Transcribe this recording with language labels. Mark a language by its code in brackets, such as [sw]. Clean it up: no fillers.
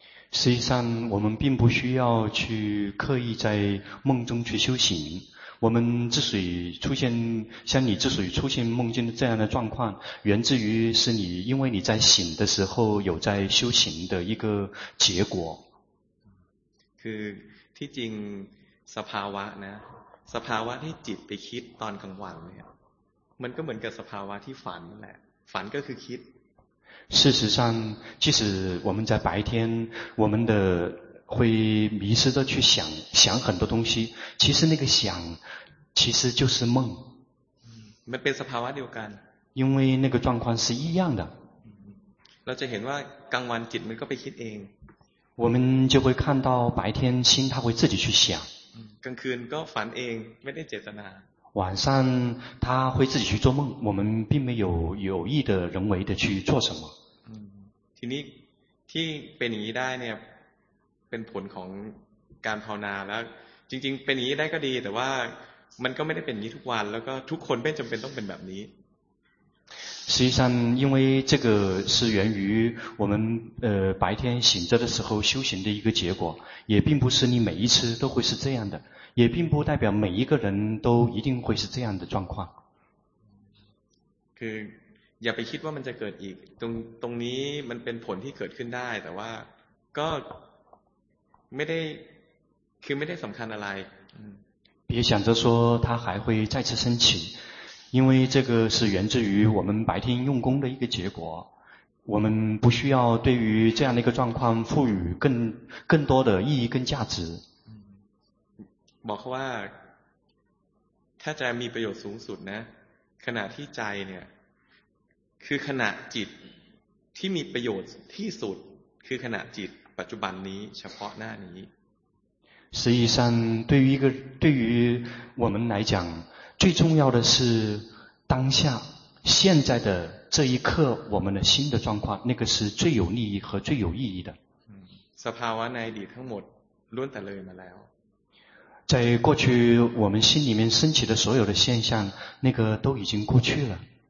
[zh] 实际上我们并不需要去刻意在梦中去修行我们之所以出现像你之所以出现梦境的这样的状况源自于是你因为你在醒的时候有在修行的一个结果 [th] คือที่จริงสภาวะนะสภาวะที่จิตไปคิดตอนกลางวันเนี่ยมันก็เหมือนกับสภาวะที่ฝันนั่นแหละฝันก็คือคิด [zh] 事实上即使我们在白天我们的会迷失的去想想很多东西其实那个想其实就是梦 [th] มันเป็นสภาวะเดียวกัน [zh] 因为那个状况是一样的 [th] เราจะเห็นว่ากลางวันจิตมันก็ไปคิดเอง [zh] 我们就会看到白天心它会自己去想 [th] กลางคืนก็ฝันเองไม่ได้เจตนา [zh] 晚上它会自己去做梦我们并没有有意的人为的去做什么 [th] ทีนี้ที่เป็นอย่างนี้ได้เนี่ยเป็นผลของการภาวนาแล้วจริงๆเป็นอย่างนี้ได้ก็ดีแต่ว่ามันก็ไม่ได้เป็นอย่างนี้ทุกวันแล้วก็ทุกคนไม่จำเป็นต้องเป็นแบบนี้ [zh] 实际上因为这个是源于我们白天醒着的时候修行的一个结果也并不是你每一次都会是这样的也并不代表每一个人都一定会是这样的状况 [th] คืออย่าไปคิดว่ามันจะเกิดอีกตรงนี้มันเป็นผลที่เกิดขึ้นได้แต่ว่าก็ไม่ได้คือไม่ได้สำคัญอะไร [zh] 别想着说它还会再次升起因为这个是源自于我们白天用功的一个结果我们不需要对于这样的一个状况赋予更多的意义跟价值 [th] บอกว่า้าจะมีประโยชน์สูงสุดนะขณะที่ใจเนี่ยคือขณะจิตที่มีประโยชน์ที่สุดคือขณะจิตปัจจุบันนี้เฉพาะหน้านี้ [zh] 实际上对于一个对于我们来讲最重要的是当下现在的这一刻我们的心的状况那个是最有利益和最有意义的 [th] สภาวะในอดีตทั้งหมดล้วนแต่เลยมาแล้ว [zh] 在过去我们心里面升起的所有的现象那个都已经过去了